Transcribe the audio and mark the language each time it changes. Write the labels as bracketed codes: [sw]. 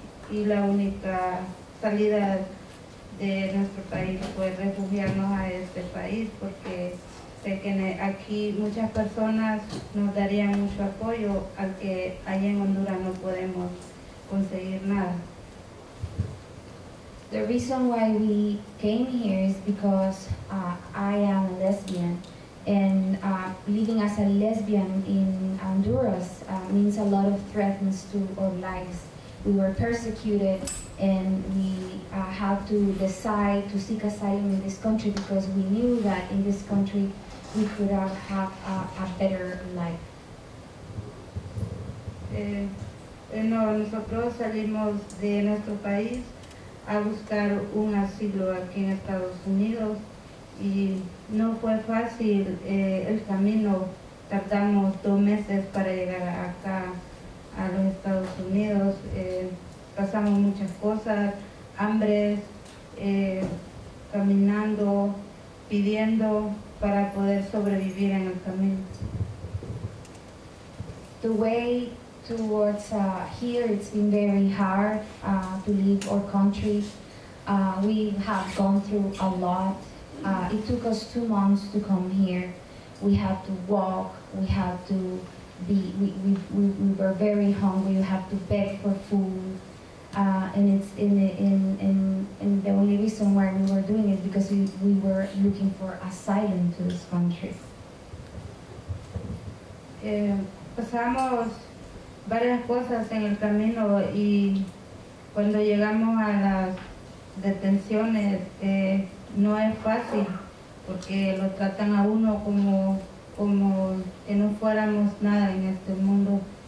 [es] la única salida de nuestro país fue refugiarnos a este país porque sé que aquí muchas personas nos darían mucho apoyo al que allá en Honduras no podemos conseguir nada. [en] The reason why we came here is because I am a lesbian. And living as a lesbian in Honduras means a lot of threats to our lives. We were persecuted and we had to decide to seek asylum in this country because we knew that in this country we could have a better life. [es] Nosotros salimos de nuestro país a buscar un asilo aquí en Estados Unidos. Y no fue fácil el camino, tardamos 2 meses para llegar acá a los Estados Unidos, pasamos muchas cosas, hambres, caminando, pidiendo para poder sobrevivir en el camino. [en] The way towards here, it's been very hard to leave our country. We have gone through a lot. It took us 2 months to come here. We had to walk, we had to be, we were very hungry, we had to beg for food. And it's in the only reason why we were doing it because we were looking for asylum to this country. [es] Pasamos varias cosas en el camino y cuando llegamos a las detenciones, no es fácil porque lo tratan a uno como que no fuéramos nada en este mundo.